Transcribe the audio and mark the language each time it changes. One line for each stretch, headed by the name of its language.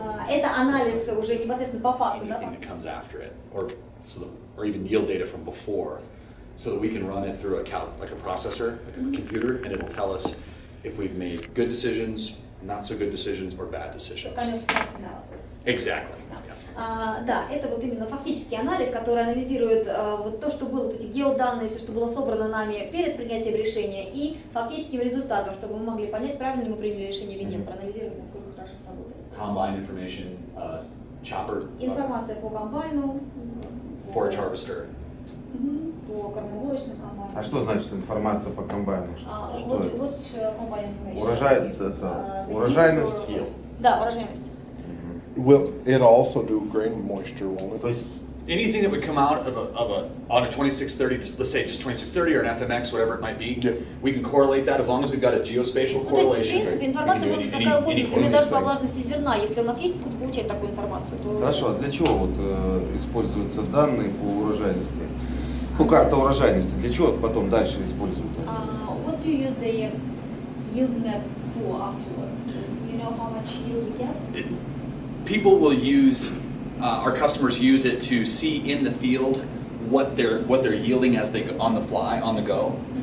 Russian: Это анализ уже непосредственно по факту,
English: anything
Russian: да?
English: That comes after it, or even yield data from before, so that we can run it through a like a processor, like a computer, and it'll tell us if we've made good decisions, not so good decisions, or bad decisions. So kind of fact analysis. Exactly.
Russian: Да, это вот именно фактический анализ, который анализирует вот то, что было, вот эти геоданные, все, что было собрано нами перед принятием решения, и фактическим результатом, чтобы мы могли понять, правильно мы приняли решение или нет, проанализировать, насколько хорошо сработало.
English: Combine information, chopper.
Russian: Информация по комбайну.
English: Forage harvester.
Russian: По кормовочным комбайнам. А что значит информация по комбайну? Что вот комбайн информация. Урожай, это урожайность. Да, урожайность.
English: Will it also do grain moisture, won't it? Anything that would come out on a 2630, let's say just 2630 or an FMX, whatever it might be, we can correlate that as long as we've got a geospatial correlation.
Russian: Ну, то есть, в принципе, информация будет такая угодно, или даже по влажности зерна, если у нас есть, откуда получать такую информацию, то... Хорошо, а для чего вот используются данные по урожайности? Ну, карта урожайности, для чего потом дальше используют?
English: What do you use the yield map for afterwards? Do you know how much yield we get? People will use, our customers use it to see in the field what they're yielding as they go, on the fly, on the go.